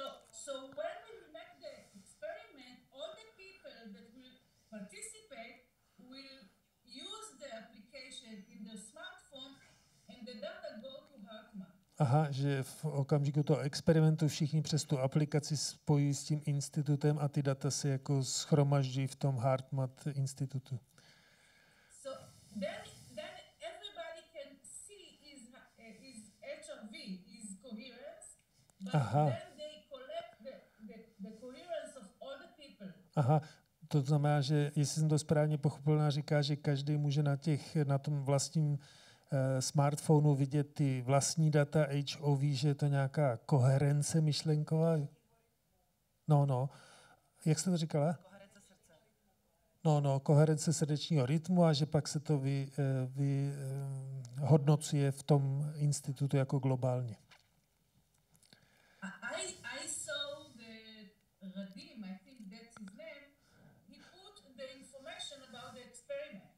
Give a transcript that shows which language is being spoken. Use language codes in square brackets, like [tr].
[en] So when we make the experiment, all the people that will participate will use the application in the smartphone and the data go to HeartMath. [cs] Aha, že v okamžiku toho experimentu všichni přes tu aplikaci spojí s tím institutem a ty data se jako schromaždí v tom HeartMath institutu. [en] So then everybody can see is HRV, is coherence, but aha. Then they collect the coherence of all the people. [cs] Aha, to znamená, že jestli jsem to správně pochopil, říká, že každý může na tom vlastním smartphonu vidět ty vlastní data HOV, že je to nějaká koherence myšlenková? No. Jak jste to říkala? Koherence srdce. No, koherence srdečního rytmu a že pak se to vy hodnocuje v tom institutu jako globálně. [en] I saw the Radim, I think that's his name. He put the information about the experiment.